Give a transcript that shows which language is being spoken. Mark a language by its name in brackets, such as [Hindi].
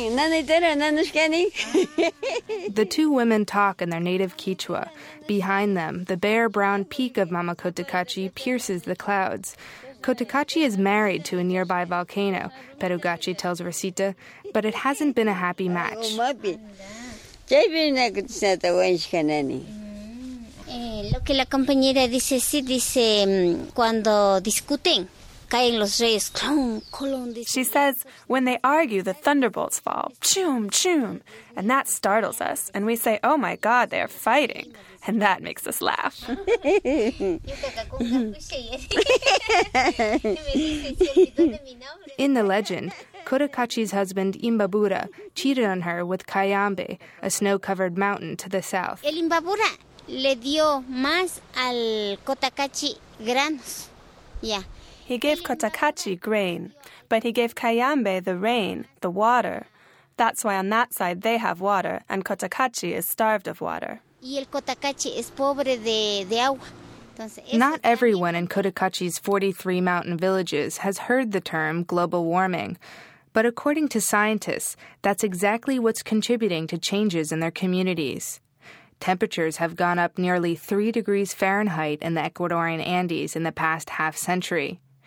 [English] The two women talk in their native Quechua. Behind them, the bare brown peak of Mama Cotacachi pierces the clouds. Cotacachi is married to a nearby volcano, Perugachi tells Rosita, but it hasn't been a happy match. [Spanish] Lo que la compañera dice, sí, dice, cuando discuten, caen los reyes. [English] She says, when they argue, the thunderbolts fall. Choom, choom. And that startles us. And we say, oh my God, they're fighting. And that makes us laugh. In the legend, Cotacachi's husband, Imbabura, cheated on her with Cayambe, a snow-covered mountain to the south. [Spanish] El Imbabura le dio más al Cotacachi granos. [English] Yeah. He gave Cotacachi grain, but he gave Cayambe the rain, the water. That's why on that side they have water, and Cotacachi is starved of water. [Spanish] Y el Cotacachi es pobre de agua. [English] Not everyone in Cotacachi's 43 mountain villages has heard the term global warming. But according to scientists, that's exactly what's contributing to changes in their communities. Temperatures have gone up nearly 3 degrees Fahrenheit in the Ecuadorian Andes in the past half century.